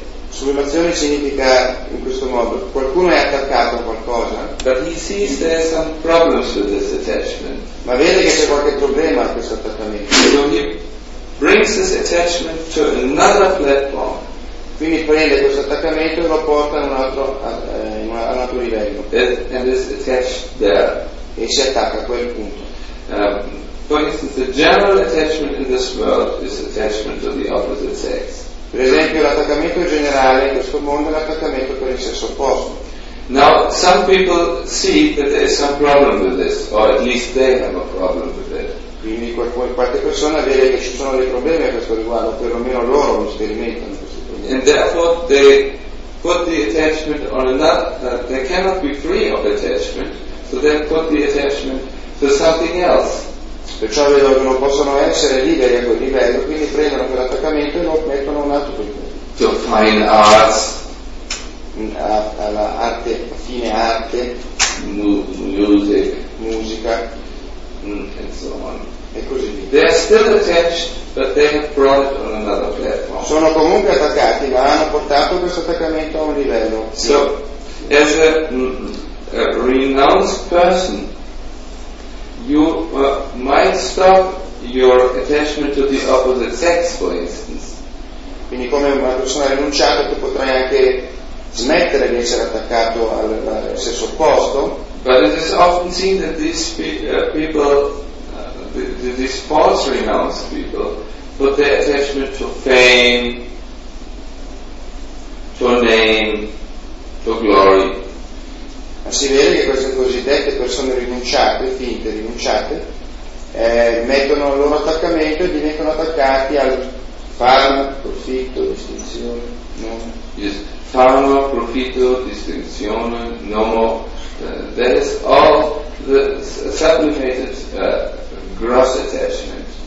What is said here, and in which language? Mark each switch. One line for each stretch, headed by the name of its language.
Italian: Sublimazione significa in questo modo: qualcuno è attaccato a qualcosa,
English: but he sees there are some problems with this attachment.
Italian: Ma vede che c'è qualche problema a questo attaccamento.
English: So he brings this attachment to another platform.
Italian: Quindi prende questo attaccamento e lo porta ad un altro livello.
English: And is attached there.
Italian: E si attacca a quel punto.
English: For instance, the general attachment in this world is attachment to the opposite sex.
Italian: Per esempio, l'attaccamento generale in questo mondo è l'attaccamento per il sesso opposto.
English: Now, some people see that there is some problem with this, or at least they have a problem with it.
Italian: Quindi qualche persona vede che ci sono dei problemi a questo riguardo, perlomeno loro lo sperimentano.
English: And therefore they put the attachment on another, they cannot be free of attachment, so they put the attachment to something else.
Italian: Perciò vedo che non possono essere liberi a quel livello, quindi prendono quell'attaccamento e lo mettono un altro livello.
English: To fine arts.
Italian: Alla arte, fine arte.
English: Music.
Italian: Musica.
English: And so on.
Italian: E così via.
English: They are still attached, but they have brought it on another platform.
Italian: Sono comunque attaccati, ma hanno portato questo attaccamento a un livello.
English: So, as a renounced person, you might stop your attachment to the opposite sex, for instance.
Italian: Quindi come una persona rinunciata, tu potrai anche smettere di essere attaccato al sesso opposto.
English: But it is often seen that these people, these false renounced people, put their attachment to fame, to name, to glory.
Italian: Ma si vede che queste cosiddette persone rinunciate, finte rinunciate, mettono il loro attaccamento e diventano attaccati al fama, profitto, distinzione, nome.
English: Yes.
Italian: Fama, profitto, distinzione, nome.
English: That is all the sublimated gross attachment.